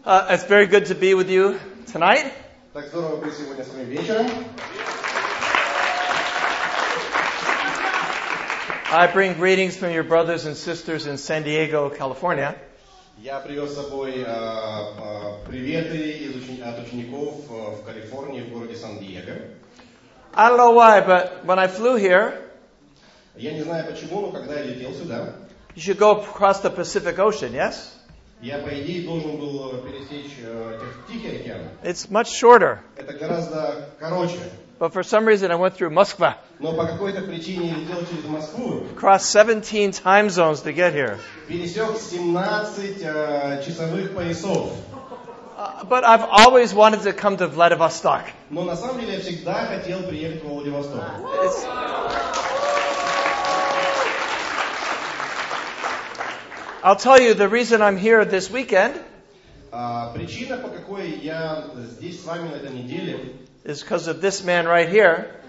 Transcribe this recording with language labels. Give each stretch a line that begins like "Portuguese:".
English: It's very good to be with you tonight.
Russian: Так здорово быть сегодня с вами вечером.
English: I bring greetings from your brothers and sisters in San Diego, California.
Russian: Я привёз с собой приветы из учеников в Калифорнии, в городе Сан-Диего.
English: I don't know why, but when I flew here,
Russian: я не знаю почему, но когда я летел сюда,
English: you should go across the Pacific Ocean, yes?
Russian: Я, по идее, должен был пересечь Тихий океан.
English: It's much shorter.
Russian: Это гораздо короче.
English: But for some reason, I went through Moskva.
Russian: Но по какой-то причине я летел через Москву.
English: Crossed 17 time zones to get here.
Russian: Пересек 17 часовых поясов.
English: But I've always wanted to come to Vladivostok.
Russian: Но на самом деле я всегда хотел приехать в Владивосток.
English: I'll tell you the reason I'm here this weekend.
Russian: Причина, по какой я здесь с вами на этой неделе.
English: Is because of this man right here.